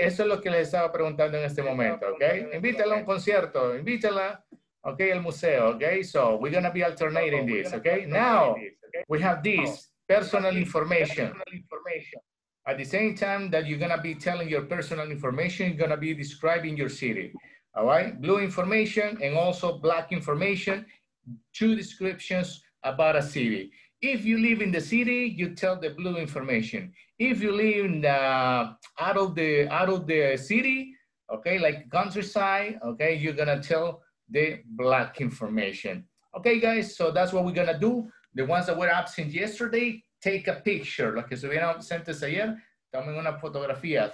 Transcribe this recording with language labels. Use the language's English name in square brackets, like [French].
[Spanish] Eso es lo que les estaba preguntando en este momento, okay? Invítala a un concierto. Invítala, okay, al museo, okay? [English] So we're going to be alternating this, okay? Now, we have this. Personal information. At the same time that you're going to be telling your personal information, you're going to be describing your city. All right? Blue information and also black information, two descriptions about a city. If you live in the city, you tell the blue information. If you live in the, out of the city, okay, like countryside, okay, you're going to tell the black information. Okay, guys, so that's what we're going to do. The ones that were absent yesterday, take a picture. [Spanish] Los que estuvieron ausentes ayer, tomen una fotografía.